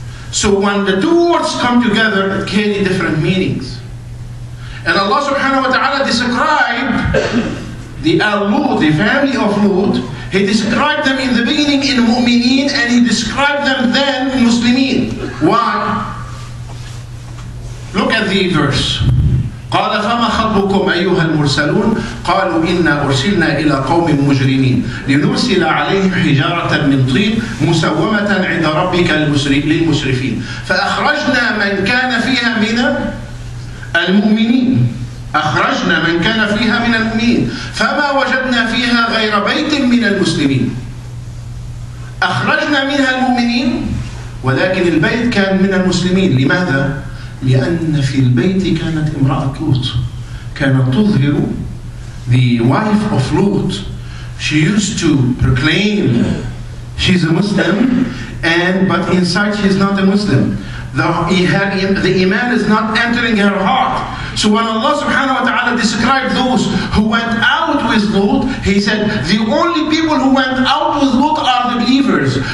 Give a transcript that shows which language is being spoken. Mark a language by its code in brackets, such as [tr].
[en] So when the two words come together, it carry different meanings. And Allah subhanahu wa ta'ala described the Al-Lut, the family of Lut. He described them in the beginning in Mu'mineen, and he described them then in Muslimin. Why? Look at the verse. [ar] قال فما خطبكم أيها المرسلون قالوا إنا أرسلنا إلى قوم مجرمين لنرسل عليهم حجارة من طين مسومة عند ربك للمسرفين فأخرجنا من كان فيها من المؤمنين أخرجنا من كان فيها من المؤمنين فما وجدنا فيها غير بيت من المسلمين أخرجنا منها المؤمنين ولكن البيت كان من المسلمين. لماذا؟ لأن في البيت كانت امرأة لوط، كانت تظهر [en] the wife of Lot. She used to proclaim she's a Muslim, and but inside she's not a Muslim. The Iman is not entering her heart. So when Allah subhanahu wa ta'ala described those who went out with Lot, he said, the only people who went out with Lot are the believers.